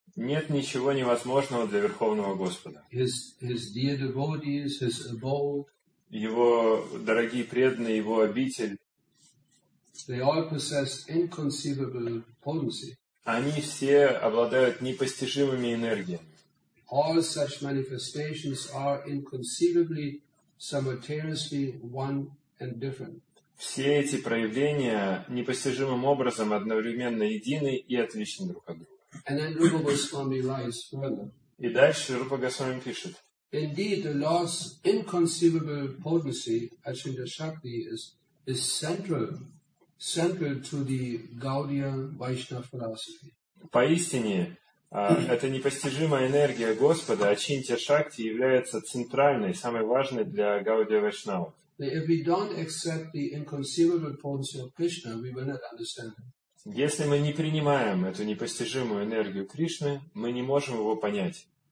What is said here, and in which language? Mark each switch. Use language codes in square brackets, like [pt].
[ru] Нет ничего невозможного для Верховного Господа. [en] His dear devotees, his abode, [ru] его дорогие преданные, его обитель, [en] they all possess inconceivable potency. [ru] Они все обладают непостижимыми энергиями. [en] All such manifestations are inconceivably simultaneously one and different. [ru] Все эти проявления непостижимым образом одновременно едины и отличны друг от друга. [en] And then Rupa Goswami writes further. [ru] И дальше Рупа Госвами пишет. [en] Indeed, the Lord's inconceivable potency, Ashinda Shakti, is central to the Gaudiya Vaishnava philosophy. [ru] Поистине, эта непостижимая энергия Господа, Ачинтья Шакти, является центральной, самой важной для Гаудия Вайшнава. [en] If we don't accept the inconceivable potency of Krishna, we will not understand it. [ru] Если мы не принимаем эту непостижимую энергию Кришны, мы не можем его понять.